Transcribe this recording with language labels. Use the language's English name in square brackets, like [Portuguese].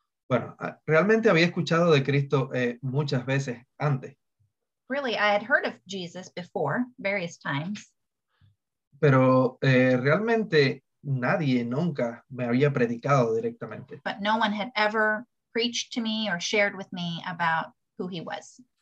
[Spanish] Bueno, realmente había escuchado de Cristo muchas veces antes. [English] Really, I had heard of Jesus before, various times. [Spanish] Pero realmente nadie nunca me había predicado directamente. [English] But no one had ever preached to me or shared with me about who he was.